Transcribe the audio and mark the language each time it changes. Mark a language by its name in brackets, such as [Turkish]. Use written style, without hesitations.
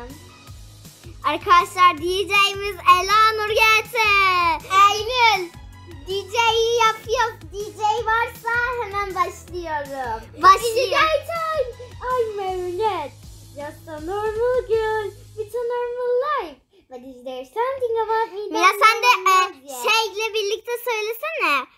[Turkish] Ben şarkı söyleyeceğim. Arkadaşlar DJ'miz Ela Nur geldi. Eylül DJ'yi yapıyor. DJ varsa hemen başlıyorum. Başlıyorum. Ay Mehmet. [English] Just a normal girl with a normal life. But is there something about me? [Turkish] Mira sen de şeyle birlikte söylesene.